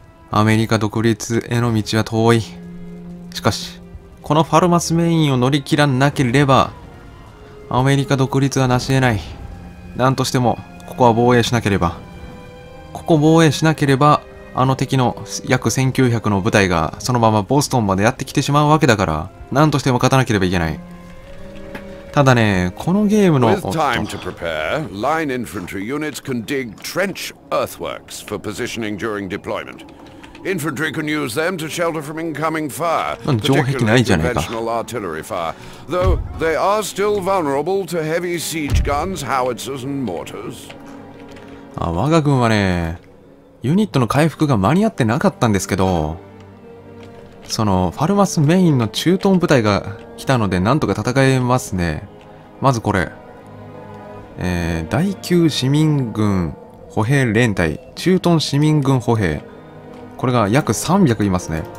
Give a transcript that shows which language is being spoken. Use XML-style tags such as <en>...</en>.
<ja>アメリカ独立への道は遠い。しかし、このパルマスメインを乗り切らなければ、アメリカ独立は成し得ない。なんとしても、ここは防衛しなければ。ここ防衛しなければ、あの敵の約1900の部隊がそのままボストンまでやってきてしまうわけだから、なんとしても勝たなければいけない。ただね、このゲームの。</ja> <en>With time to prepare, line infantry units can dig trench earthworks for positioning during deployment. Infantry can use them to shelter from incoming fire.</en> <ja>城壁ないじゃないか。</ja> <en>Conventional artillery fire, though they are still vulnerable to heavy siege guns, howitzers and mortars.</en> <ja>あ、我が軍はね、ユニットの回復が間に合ってなかったんですけど、そのファルマスメインの駐屯部隊が来たのでなんとか戦えますね。まずこれ、第9市民軍歩兵連隊、駐屯市民軍歩兵、これが約300いますね。</ja>